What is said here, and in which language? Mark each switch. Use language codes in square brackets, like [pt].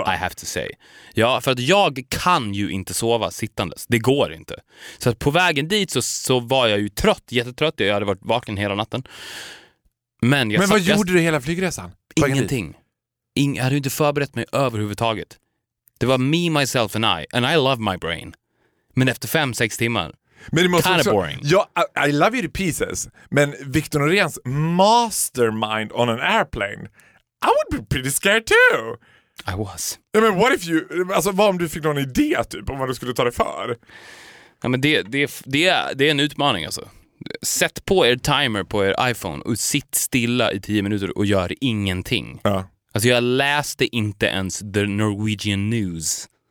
[en] I have to say. [sv] Ja, för att jag kan ju inte sova sittandes. Det går inte. Så att på vägen dit så var jag ju trött, jättetrött. Jag hade varit vaken hela natten. Men, gjorde du hela flygresan? Ingenting. Jag hade inte förberett mig överhuvudtaget. Det var [en] me, myself and I love my brain. [sv] Men efter 5-6 timmar, [en] kind of boring. I love you to pieces, men Victor Noréns mastermind on an airplane, I would be pretty scared too. I was. I mean, what if you, [sv] alltså, vad om du fick någon idé typ om vad du skulle ta dig för? Ja, men det är en utmaning alltså. Sätt på er timer på er iPhone och sitt stilla i 10 minuter och gör ingenting. Ja. Alltså jag läste inte ens The Norwegian News.